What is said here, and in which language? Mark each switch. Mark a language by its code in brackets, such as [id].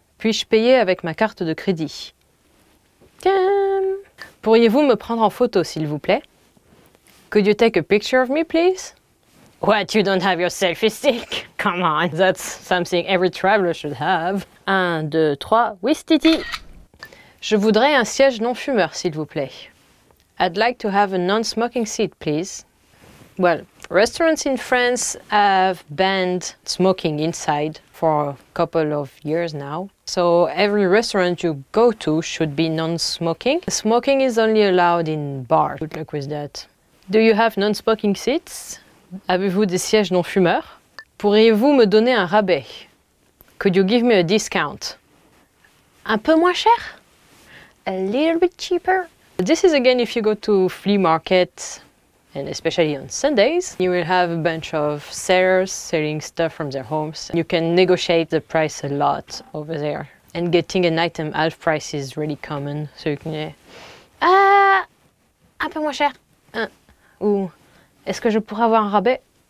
[fr] Puis-je payer avec ma carte de crédit? Tiens! Pourriez-vous me prendre en photo, s'il vous plaît? [en] Could you take a picture of me, please? What, you don't have your selfie stick? Come on, that's something every traveler should have. [fr] 1, 2, 3, whistiti! Je voudrais un siège non-fumeur, s'il vous plaît. [en] I'd like to have a non-smoking seat, please. Well, restaurants in France have banned smoking inside for a couple of years now. So every restaurant you go to should be non-smoking. Smoking is only allowed in bars. Good luck with that. Do you have non-smoking seats? [fr] Avez-vous des sièges non-fumeurs? Pourriez-vous me donner un rabais? [en] Could you give me a discount? [fr] Un peu moins cher? [en] A little bit cheaper? This is again if you go to flea market, and especially on Sundays, you will have a bunch of sellers selling stuff from their homes. You can negotiate the price a lot over there. And getting an item half price is really common. So you can say, [fr] un peu moins cher. Ou, est-ce que je pourrais avoir un rabais?